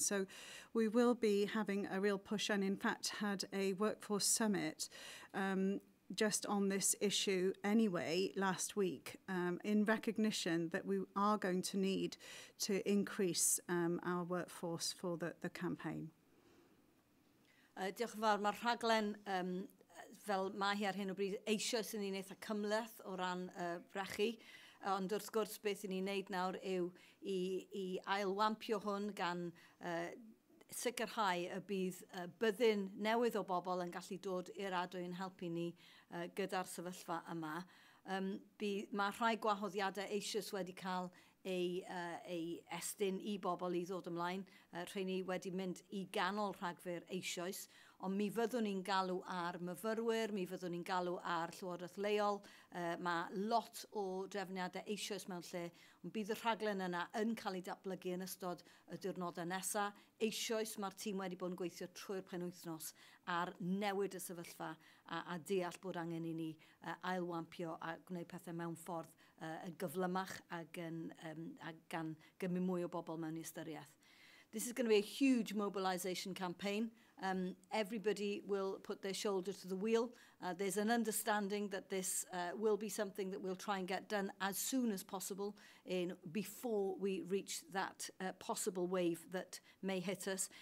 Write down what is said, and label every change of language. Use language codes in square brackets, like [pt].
[en] So we will be having a real push and in fact had a workforce summit just on this issue anyway last week, in recognition that we are going to need to increase our workforce for the campaign. [cy] Diolch yn fawr. Mae'r rhaglen, fel mae hi ar hyn o bryd, eisoes yn ni wneud â cymhleth o ran brechu. Ond wrth gwrs, beth yn ni'n wneud nawr yw i ailwampio hwn gan sicrhau y bydd byddin newydd o bobl yn gallu dod i'r adwy'n helpu ni gyda'r sefyllfa yma. Mae rhai gwahoddiadau eisoes wedi cael ei estyn i bobl i ddod ymlaen. Rheini wedi mynd i ganol rhagfyr eisoes, ond mi fyddwn ni'n galw ar myfyrwyr, mi fyddwn ni'n galw ar llywodraeth leol. Mae lot o drefniadau eisoes mewn lle, ond bydd y rhaglen yna yn cael ei datblygu yn ystod y diwrnodau nesaf. Eisoes mae'r tîm wedi bod yn gweithio trwy'r penwythnos ar newid y sefyllfa a deall bod angen i ni ailwampio a gwneud pethau mewn ffordd yn gyflymach ac gan gymryd mwy o bobl mewn i ystyriaeth. [en] This is going to be a huge mobilisation campaign. Everybody will put their shoulder to the wheel. There's an understanding that this will be something that we'll try and get done as soon as possible before we reach that possible wave that may hit us.